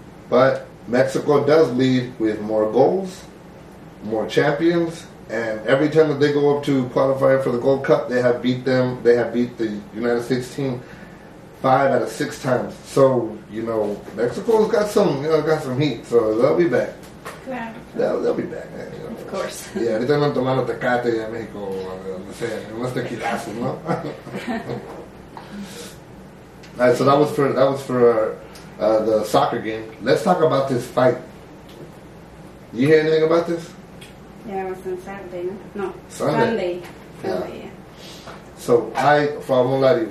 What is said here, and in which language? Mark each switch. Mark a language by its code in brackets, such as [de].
[en] But Mexico does lead with more goals, more champions, and every time that they go up to qualify for the Gold Cup, they have beat them. They have beat the United States team 5 out of 6 times. So, you know, Mexico's got some, you know, got some heat. So they'll be back. Yeah. They'll be back. Man, you know. Of course. [es] Yeah, ahorita están tomando tecate en México, unos tequilas, ¿no? [en] All right, so that was for the soccer game. Let's talk about this fight. You hear anything about this? Yeah, it was on Sunday. Sunday. Yeah. So I won't lie to you.